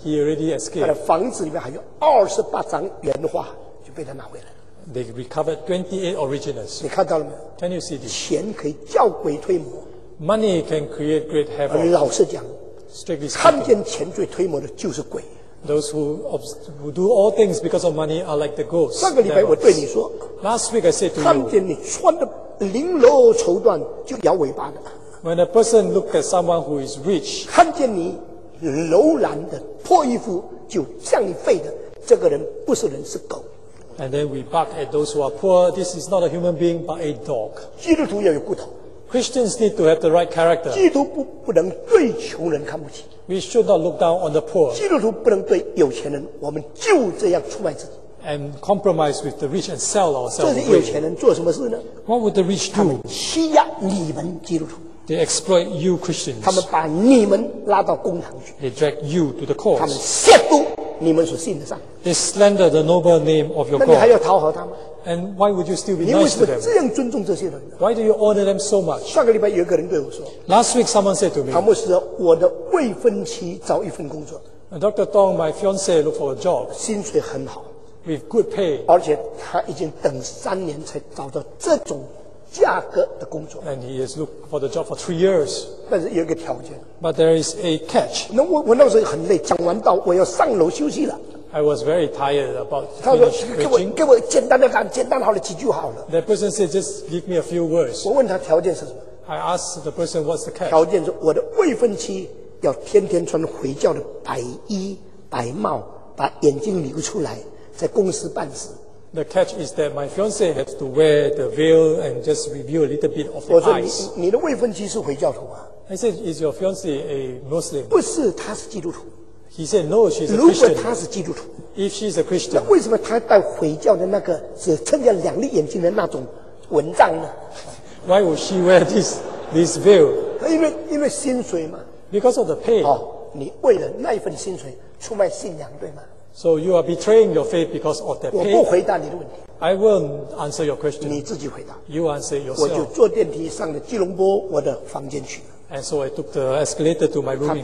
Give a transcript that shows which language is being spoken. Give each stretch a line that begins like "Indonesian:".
English: He already escaped.
Chinese: 他的房子里面还有28张原画，就被他拿回来了。
English: They recovered 28 originals.
Chinese: 你看到了没有
English: ？Can you see this？
Chinese: 钱可以叫鬼推磨。
English: Money can create great havoc.
Chinese: 老实讲
English: ，Strictly speaking，
Chinese: 看见钱最推磨的就是鬼。
English: Those who do all things because of money are like the ghosts.
Chinese: 上个礼拜我对你说
English: ，Last week I said to you，
Chinese: 看见你穿的绫罗绸缎就摇尾巴的。
English: When a person looks at someone who is rich，
Chinese: 看见你楼兰的破衣服就向你吠的，这个人不是人是狗。
English: And then we bark at those who are poor. This is not a human being but a dog.
Chinese: 基督徒要有骨头。
English: Christians need to have the right character.
Chinese: 基督徒 不能对穷人看不起。
English: We should not look down on the poor.
Chinese: 基督徒不能对有钱人，我们就这样出卖自己。
English: And compromise with the rich and sell ourselves.
Chinese: 这些有钱人做什么事呢？
English: What would the rich do?
Chinese: 他们欺压你们基督徒。
English: They exploit you Christians.
Chinese: 他们把你们拉到公堂去。
English: They drag you to the courts.
Chinese: 他们亵渎你们所信的上。
English: They slander the noble name of your God.
Chinese: 那你还要讨好他吗？
English: And why would you still be nice to them?
Chinese: 你为什么这样尊重这些人？
English: Why do you honor them so much?
Chinese: 上个礼拜有一个人对我说，
English: Last week someone said to me,
Chinese: 唐牧师，我的未婚妻找一份工作。
English: Dr. Dong, my fiance look for a job.
Chinese: 薪水很好，
English: with good pay.
Chinese: 而且他已经等三年才找到这种价格的工作。
English: And he has looked for the job for 3 years.
Chinese: 但是有一个条件，
English: But there is a catch.
Chinese: 那 我那时候很累，讲完道我要上楼休息了。
English: I was very tired about finish preaching.
Chinese: 他说：“给我简单的讲，简单好了几句好了。”
English: That person said, "Just give me a few words."
Chinese: 我问他条件是什么？
English: I asked the person, "What's the catch?"
Chinese: 条件是我的未婚妻要天天穿回教的白衣白帽，把眼睛留出来，在公司办事。
English: The catch is that my fiance has to wear the veil and just reveal a little bit of the eyes.
Chinese: 我说你的未婚妻是回教徒吗？
English: I said, "Is your fiance a Muslim?"
Chinese: 不是，她是基督徒。
English: He said, "No, she's a Christian."
Chinese: 如果她是基督徒
English: ，If she's a Christian，
Chinese: 那为什么她戴回教的那个只撑着两粒眼睛的那种蚊帐呢
English: ？Why would she wear this veil？
Chinese: 因为薪水嘛。
English: Because of the pay。
Chinese: 哦，你为了那一份薪水出卖信仰，对吗
English: ？So you are betraying your faith because of the pay。
Chinese: 我不回答你的问题。
English: I won't answer your question。
Chinese: 你自己回答。
English: You answer yourself。
Chinese: 我就坐电梯上了吉隆坡我的房间去。
English: And so I took the escalator to my room.